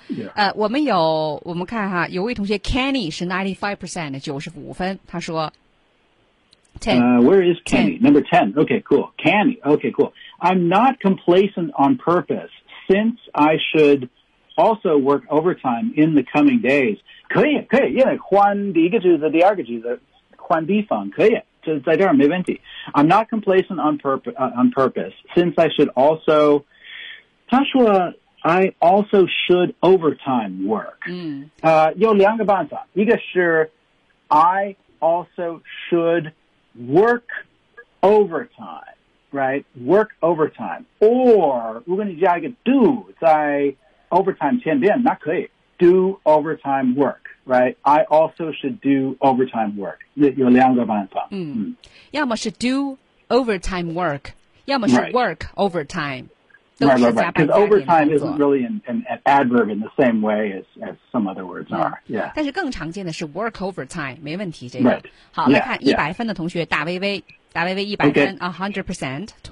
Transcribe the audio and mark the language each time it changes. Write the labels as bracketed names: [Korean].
[English] yeah. Yeah. [Chinese] 我们看哈，有位同学 Kenny 是 95% 95分，他说 ten。 [English] Where is Kenny? Number ten. Okay, cool. Kenny. Okay, cool. I'm not complacent on purpose, since I should. Also work overtime in the coming days. [Chinese] 可以，可以，因为换第一个句子，第二个句子，换地方，可以，就在这儿没问题。 [English] I'm not complacent on purpose, since I should also, [Chinese] 他说 [English] I also should overtime work. 有两个办法，一个是 I also should work overtime, right? Work overtime. Or, [Chinese] 如果你加一个 [English] do, 在Overtime [Chinese] 前边那可以 [English] do overtime work, right? I also should do overtime work. [Chinese] 有两个办法。嗯，要么是 [English] do overtime work， [Chinese] 要么是 [English] work overtime， [Chinese] 都是加班加点工作。 [English] Overtime isn't really an adverb in the same way as some other words are. Yeah. [Chinese] 但是更常见的是 [English] work overtime， [Chinese] 没问题。这个、 [English] right. [Chinese] 好，来看一百分的同学大薇薇，大薇薇一百分 100% 12.